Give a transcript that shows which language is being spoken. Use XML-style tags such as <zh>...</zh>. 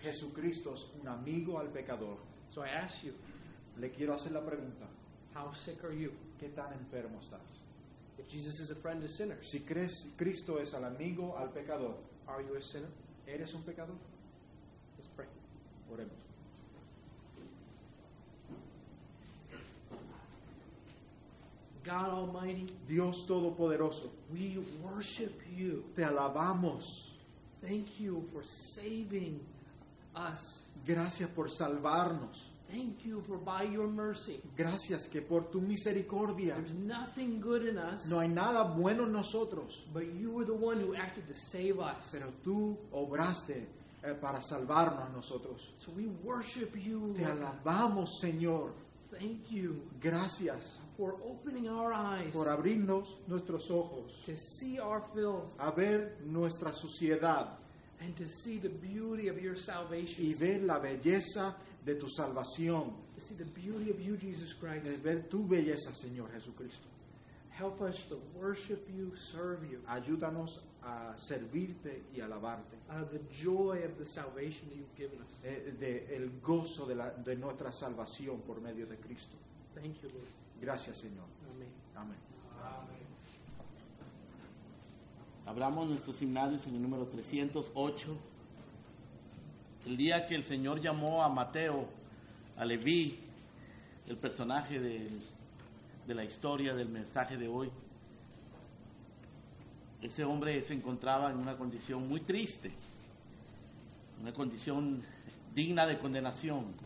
<es>Jesucristo es un amigo al pecador.</es> <en>So I ask you.</en> <es>Le quiero hacer la pregunta.</es> <en>How sick are you?</en> <es>¿Qué tan enfermo estás?</es> <en>If Jesus is a friend to sinners.</en> <es>Si crees Cristo es el amigo al pecador.</es> <en>Are you a sinner?</en> <es>¿Eres un pecador?</es> <en>Let's pray.</en> <es>Oremos.</es> <en>God Almighty,</en> <es>Dios Todopoderoso,</es> <en>we worship you.</en> <es>Te alabamos.</es> <en>Thank you for saving us.</en> <es>Gracias por salvarnos.</es> <en>Thank you for by your mercy.</en> <es>Gracias que por tu misericordia.</es> <en>There's nothing good in us.</en> <es>No hay nada bueno en nosotros.</es> <en>But you were the one who acted to save us.</en> <es>Pero tú obraste para salvarnos a nosotros.</es> <en>So we worship you.</en> <es>Te alabamos, Señor.</es> <en>Thank you.</en> <es>Gracias.</es> <en>For opening our eyes.</en> <es>Por abrirnos nuestros ojos.</es> <en>To see our filth.</en> <es>A ver nuestra suciedad.</es> <en>And to see the beauty of your salvation.</en> <es>Y ver la belleza de tu salvación.</es> <en>To see the beauty of you, Jesus Christ.</en> <es>De ver tu belleza, Señor Jesucristo.</es> <en>Help us to worship you, serve you.</en> <es>Ayúdanos a servirte y alabarte.</es> <en>Out of the joy of the salvation that you've given us.</en> <es>De el gozo de nuestra salvación por medio de Cristo.</es> <en>Thank you, Lord.</en> <es>Gracias, Señor. Amén. Amén. Abramos nuestros himnarios en el número 308. El día que el Señor llamó a Mateo, a Leví, el personaje de la historia, del mensaje de hoy, ese hombre se encontraba en una condición muy triste, una condición digna de condenación.</es>